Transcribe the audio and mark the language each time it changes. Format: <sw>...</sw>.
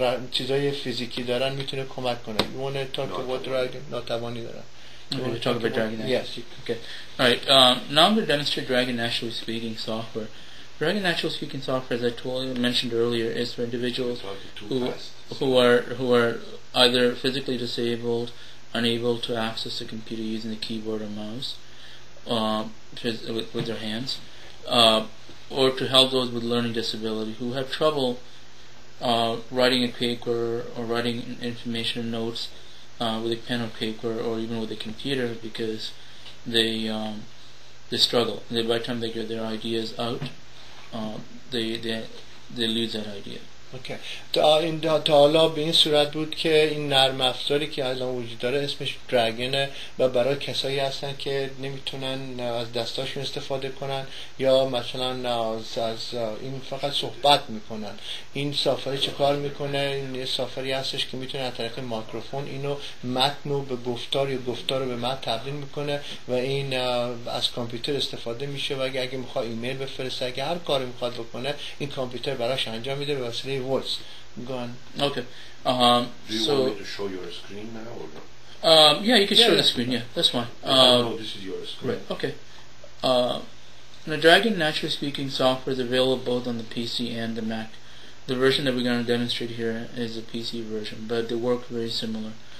<fa>چیزای فیزیکی دارن میتونه کمک کنه.</fa> <en>You want to talk about dragon?</en> <fa>ناتوانی دارن.</fa> <en>Now I'm going to demonstrate Dragon Naturally Speaking Software. Dragon Naturally Speaking Software, as I told you, mentioned earlier, is for individuals who are either physically disabled, unable to access a computer using the keyboard or mouse with their hands, or to help those with learning disability who have trouble writing a paper or writing information notes with a pen or paper or even with a computer because they struggle. And by the time they get their ideas out, they lose that idea. Okay okay.</en> <fa>تا حالا به این صورت بود که این نرم افزاری که الان وجود داره اسمش دراگنه و برای کسایی هستن که نمیتونن از دستاشون استفاده کنن یا مثلا از این فقط صحبت میکنن. این سافاری چه کار میکنه؟ این سافاری هستش که میتونه از طریق مایکروفون اینو متنو به گفتار یا گفتارو به متن تبدیل میکنه و این از کامپیوتر استفاده میشه و اگه میخواد ایمیل بفرسته اگه هر کاری میخواد بکنه این کامپیوتر براش انجام میده.</fa> <en>Voice. Go on. Okay. Do you want me to show your screen now or not? Yeah, you can show the screen. Yeah, that's fine. No, this is your screen. Right. Okay. The Dragon Naturally Speaking Software is available both on the PC and the Mac. The version that we're going to demonstrate here is the PC version, but they work very similar.</en>